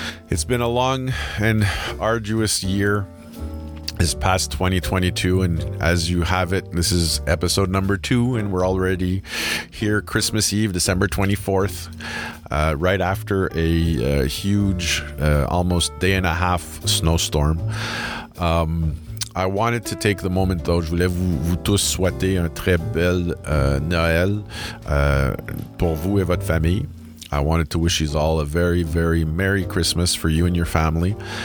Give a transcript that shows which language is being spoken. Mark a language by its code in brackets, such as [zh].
[en] It's been a long and arduous year. This past 2022, and as you have it, this is episode number 2, and we're already here Christmas Eve, December 24th, right after a huge, almost day and a half snowstorm. I wanted to take the moment, though. [fr] Je voulais vous tous souhaiter un très bel Noël pour vous et votre famille. [en] I wanted to wish you all a very, very Merry Christmas for you and your family.